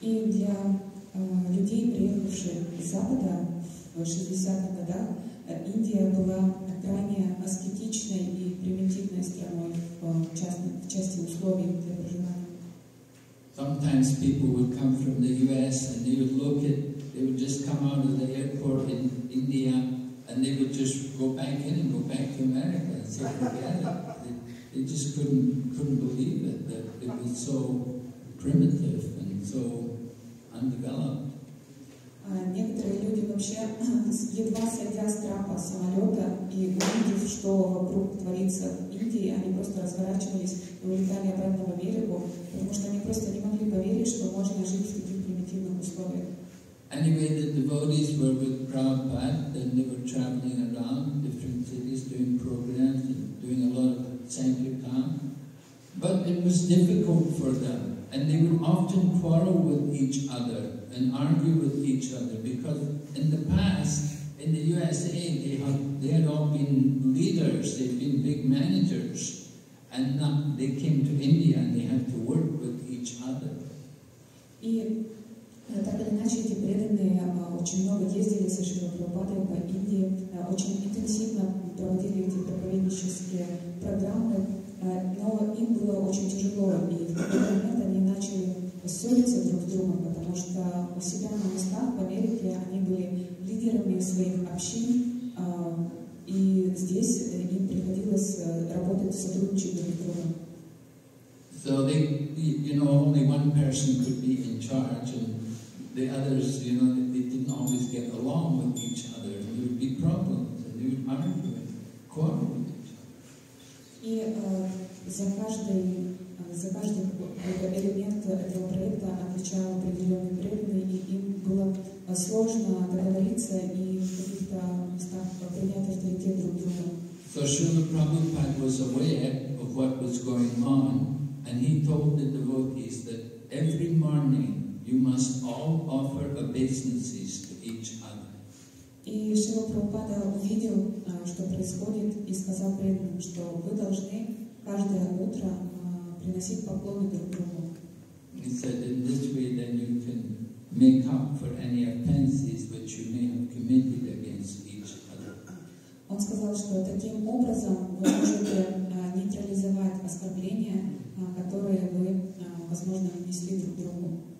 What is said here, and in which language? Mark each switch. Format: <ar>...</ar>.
<ru>Для людей, приехавших из Запада в 60-х годах, Индия была крайне аскетичной и примитивной страной в части условий для проживания.</ru> <en>Sometimes people would come from the US and they would just come out of the airport in India and they would just go back in and go back to America and say, forget it. They just couldn't believe it, that it was so primitive and so undeveloped.</en> <ru>Некоторые люди вообще, едва сойдя с трапа самолета и увидев, что вокруг творится в Индии, они просто разворачивались и улетали обратно в Америку, потому что они просто не могли поверить, что можно жить в таких примитивных условиях.</ru> <en>Anyway, the devotees were with Prabhupada and they were traveling around different cities doing programs and doing a lot of sankirtan. But it was difficult for them. And they would often quarrel with each other and argue with each other because in the past, in the USA, they had all been leaders, they'd been big managers, and now they came to India and they had to work with each other.</en> <ru>Так или иначе, эти преданные очень много ездили со Шрилой Прабхупадой по Индии, очень интенсивно проводили эти проповеднические программы, но им было очень тяжело, и в какой-то момент они начали ссориться друг с другом, потому что у себя на местах в Америке они были лидерами своих общин, и здесь им приходилось работать, сотрудничать друг с другом.</ru> <en>So they, you know, only one person could be in charge, and the others, you know, they didn't always get along with each other. There would be problems, and they would argue and quarrel with each other.</en> <ru>И за каждый элемент этого проекта отвечал определенный преданный, и им было сложно договориться и в каких-то местах принять авторитет друг друга.</ru> <en>So Srila Prabhupada was aware of what was going on, and he told the devotees that every morning you must all offer obeisances to each other.</en> <ru>И Шрила Прабхупада увидел, что происходит, и сказал преданным, что вы должны каждое утро приносить поклоны друг другу.</ru> <en>He said, in this way then you can make up for any offenses which you may have committed against each other.</en> <ru>Он сказал, что таким образом вы можете нейтрализовать оскорбления, которые вы, возможно, нанесли друг другу.</ru>